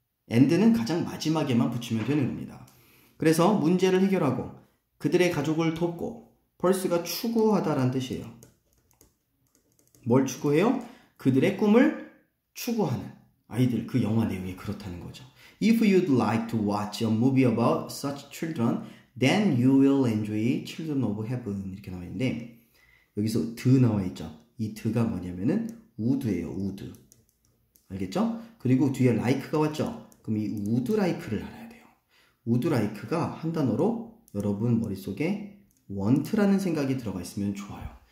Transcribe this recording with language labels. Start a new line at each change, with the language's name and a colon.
Korean: and는 가장 마지막에만 붙이면 되는 겁니다. 그래서 문제를 해결하고 그들의 가족을 돕고, 펄스가 추구하다라는 뜻이에요. 뭘 추구해요? 그들의 꿈을 추구하는 아이들, 그 영화 내용이 그렇다는 거죠.
English: If you'd like to watch a movie about such children, then you will enjoy Children of Heaven.
Korean: 이렇게 나와 있는데, 여기서 the 나와 있죠. 이 the가 뭐냐면은 would예요, would. 알겠죠? 그리고 뒤에 like가 왔죠? 그럼 이 would like를 알아야 돼요. would like가 한 단어로 여러분 머릿속에 want라는 생각이 들어가 있으면 좋아요.